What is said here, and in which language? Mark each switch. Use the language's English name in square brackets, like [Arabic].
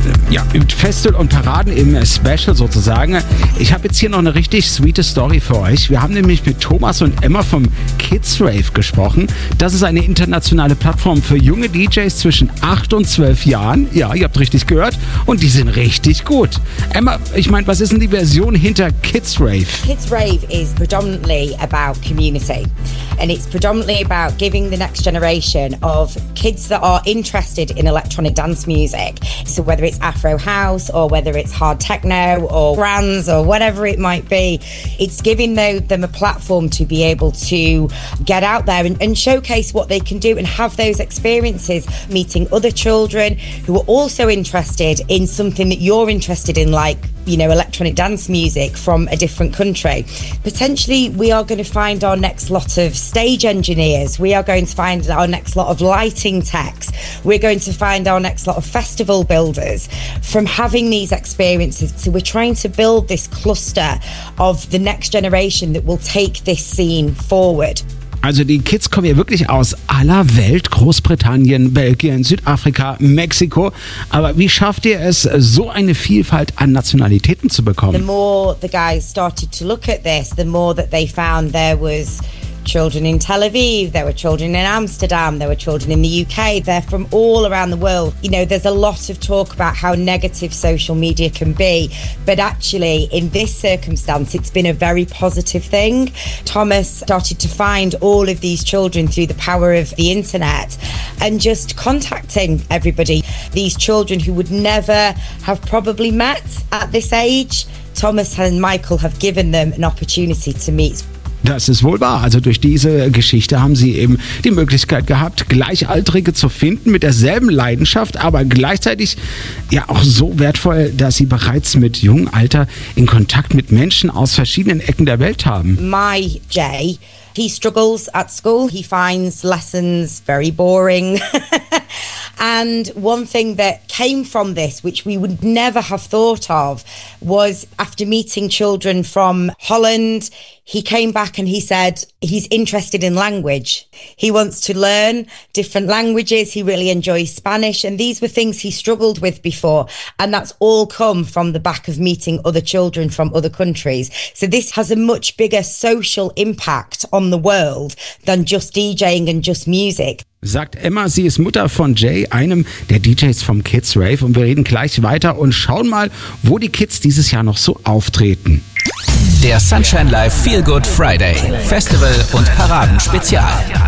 [German] Ja, im Festival und Paraden im Special sozusagen. Ich habe jetzt hier noch eine richtig sweete Story für euch. Wir haben nämlich mit Thomas und Emma vom Kids Rave gesprochen. Das ist eine internationale Plattform für junge DJs zwischen 8 und 12 Jahren. Ja, ihr habt richtig gehört. Und die sind richtig gut. Emma, ich meine, was ist denn die Version hinter Kids Rave? [English] Kids Rave is predominantly about community. And it's predominantly about giving the next generation of kids that are interested in electronic dance music. So whether it's Afro House or whether it's hard techno or trance or whatever it might be, it's giving them a platform to be able to get out there and showcase what they can do and have those experiences meeting other children who are also interested in something that you're interested in, like, you know, electronic dance music from a different country. Potentially, we are going to find our next lot of stage engineers. We are going to find our next lot of lighting techs. We're going to find our next lot of festival builders from having these experiences. So we're trying to build this cluster of the next generation that will take this scene forward. [German] Also die Kids kommen ja wirklich aus aller Welt, Großbritannien, Belgien, Südafrika, Mexiko. Aber wie schafft ihr es, so eine Vielfalt an Nationalitäten zu bekommen? [English] The more the guys started to look at this, the more that they found there was children in Tel Aviv, there were children in Amsterdam, there were children in the UK, they're from all around the world. You know, there's a lot of talk about how negative social media can be, but actually in this circumstance, it's been a very positive thing. Thomas started to find all of these children through the power of the internet and just contacting everybody. These children who would never have probably met at this age, Thomas and Michael have given them an opportunity to meet. [German] Das ist wohl wahr. Also durch diese Geschichte haben sie eben die Möglichkeit gehabt, Gleichaltrige zu finden mit derselben Leidenschaft, aber gleichzeitig ja auch so wertvoll, dass sie bereits mit jungem Alter in Kontakt mit Menschen aus verschiedenen Ecken der Welt haben. [English] My Jay, he struggles at school. He finds lessons very boring. And one thing that came from this, which we would never have thought of, was after meeting children from Holland, he came back and he said he's interested in language. He wants to learn different languages. He really enjoys Spanish. And these were things he struggled with before. And that's all come from the back of meeting other children from other countries. So this has a much bigger social impact on the world than just DJing and just music. [German] Sagt Emma, sie ist Mutter von Jay, einem der DJs vom Kids Rave. Und wir reden gleich weiter und schauen mal, wo die Kids dieses Jahr noch so auftreten. Der Sunshine Live Feel Good Friday. Festival und Paraden Spezial.